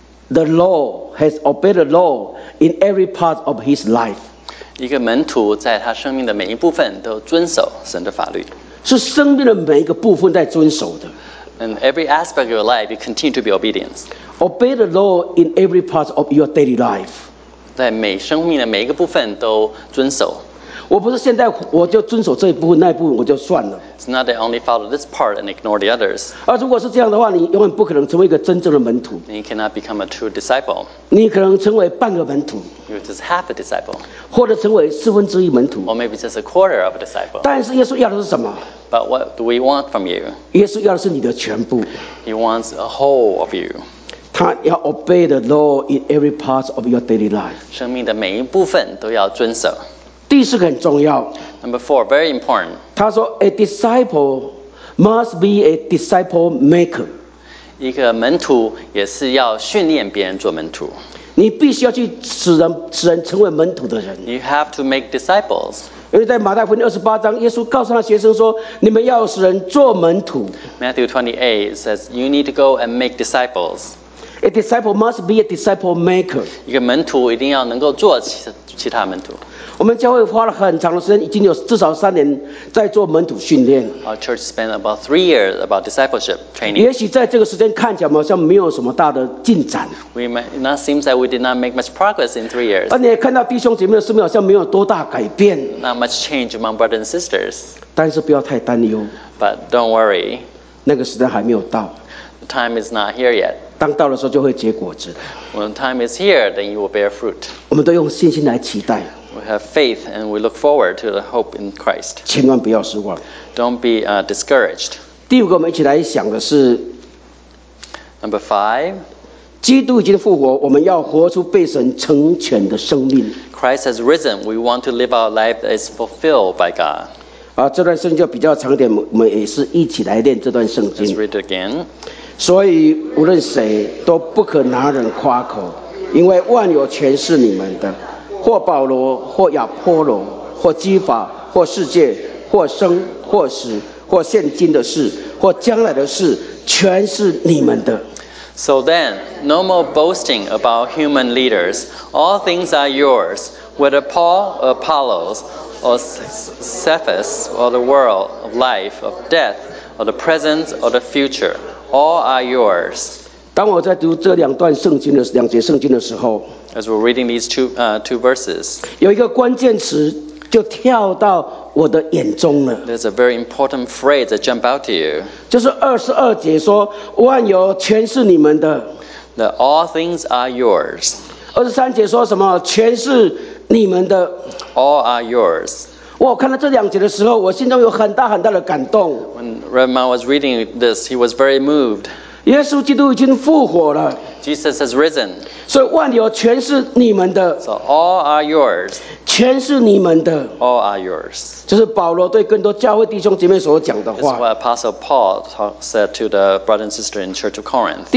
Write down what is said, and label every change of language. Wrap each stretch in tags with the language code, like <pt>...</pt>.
<en>has obeyed the law in every part of his life.</en> <zh>一个门徒在他生命的每一部分都遵守神的法律，是生命的每一个部分在遵守的。</zh> <en>And every aspect of your life, you continue to be obedient. Obey the law in every part of your daily life.</en> <zh>在每生命的每一个部分都遵守。我不是现在我就遵守这一部分，那一部分我就算了。</zh> <en>It's not that I only follow this part and ignore the others.</en> <zh>而如果是这样的话，你永远不可能成为一个真正的门徒。</zh> <en>You cannot become a true disciple.</en> <zh>你可能成为半个门徒。</zh> <en>You're just half a disciple.</en> <zh>或者成为四分之一门徒。</zh> <en>Or maybe just a quarter of a disciple.</en> <zh>但是耶稣要的是什么？</zh> <en>But what do we want from you?</en> <zh>耶稣要的是你的全部。</zh> <en>He wants a whole of you.</en> <zh>他要</zh> <en>obey the law in every part of your daily life.</en> <zh>生命的每一部分都要遵守。第四个很重要。</zh> <en>Number four, very important.</en> <zh>他说</zh> <en>，a disciple must be a disciple maker.</en> <zh>一个门徒也是要训练别人做门徒。你必须要去使人成为门徒的人。</zh> <en>You have to make disciples.</en> <zh>因为在马太福音28章，耶稣告诉他学生说：“你们要使人做门徒。”</zh> <en>Matthew 28 says, "You need to go and make disciples." A disciple must be a disciple maker.</en> <zh>一个门徒一定要能够做其他门徒。我们教会花了很长的时间，已经有至少3年在做门徒训练。</zh> <en>Our church spent about 3 years about discipleship training.</en> <zh>也许在这个时间看起来好像没有什么大的进展。</zh> <en>We might not seem that we did not make much progress in 3 years.</en> <zh>而你也看到弟兄姐妹的生命好像没有多大改变。</zh> <en>Not much change among brothers and sisters.</en> <zh>但是不要太担忧。</zh> <en>But don't worry.</en> <zh>那个时间还没有到。</zh> <en>The time is not here yet.</en> <zh>当到的时候就会结果子。</zh> <en>When time is here, then you will bear fruit.</en> <zh>我们都用信心来期待。</zh> <en>We have faith and we look forward to the hope in Christ.</en> <zh>千万不要失望。</zh> <en>Don't be discouraged.</en> <zh>第五个我们一起来想的是</zh> <en>Number five.</en> <zh>基督已经复活，我们要活出被神成全的生命。</zh> <en>Christ has risen. We want to live our life that is fulfilled by God.</en> <zh>这段圣经比较长一点，我们也是一起来练这段圣经。</zh> <en>Let's read again.</en> <zh>所以无论谁都不可拿人夸口，因为万有全是你们的。或保罗，或亚波罗，或基法，或世界，或生，或死，或现今的事，或将来的事，全是你们的。</zh> <en>So then, no more boasting about human leaders. All things are yours. Whether Paul, or Apollos, or Cephas, or the world of life, of death, or the present, or the future, all are yours.</en> <zh>当我在读这两段圣经的两节圣经的时候。</zh> <en>As we're reading these two verses,</en> <zh>有一个关键词就跳到我的眼中了。</zh> <en>There's a very important phrase that jumped out to you.</en> <zh>就是22节说万有全是你们的。</zh> <en>That all things are yours.</en> <zh>23节说什么？全是你们的。</zh> <en>All are yours.</en> <zh>我看到这两节的时候，我心中有很大很大的感动。</zh> <en>When Redman was reading this, he was very moved.</en> <zh>耶稣基督已经复活了。</zh> <en>Jesus has risen.</en> <zh>So, 万有全是你们的。</zh> <en>So, all are yours.</en> <zh>全是你们的。</zh> <en>All are yours.</en> <zh>这是保罗对更多教会弟兄姐妹所讲的话。</zh> <en>This is what Apostle Paul said to the brothers and sisters in Church of Corinth.</en>